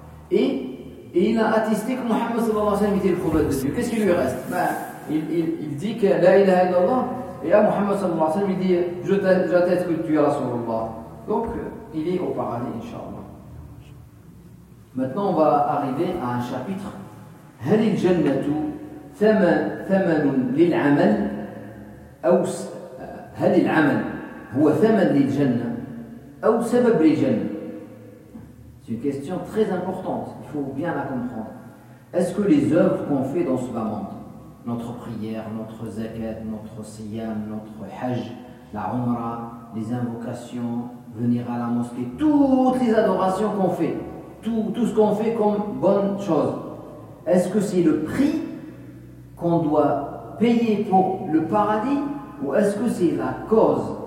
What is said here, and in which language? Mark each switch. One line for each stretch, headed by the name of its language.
French: Et il a attesté que Mohammed sallallahu alayhi wa sallam était le prophète de Dieu. Qu'est-ce qui lui reste? Il dit que
Arabic: la ilaha illallah.
French: Et là, Mohammed sallallahu alayhi wa sallam, il dit, j'atteste que tu es Rasulullah. Donc, il est au paradis, inshallah. Maintenant, on va arriver à un chapitre.
Arabic: هل الجنة ثمن للعمل أو هل العمل هو ثمن للجنة أو سبب للجنة؟
French: C'est une question très importante. Il faut bien la comprendre. Est-ce que les œuvres qu'on fait dans ce monde, notre prière, notre zakat, notre siyam, notre hajj, la umra, les invocations, venir à la mosquée, toutes les adorations qu'on fait, tout ce qu'on fait comme bonne chose, est-ce que c'est le prix qu'on doit payer pour le paradis ou est-ce que c'est la cause?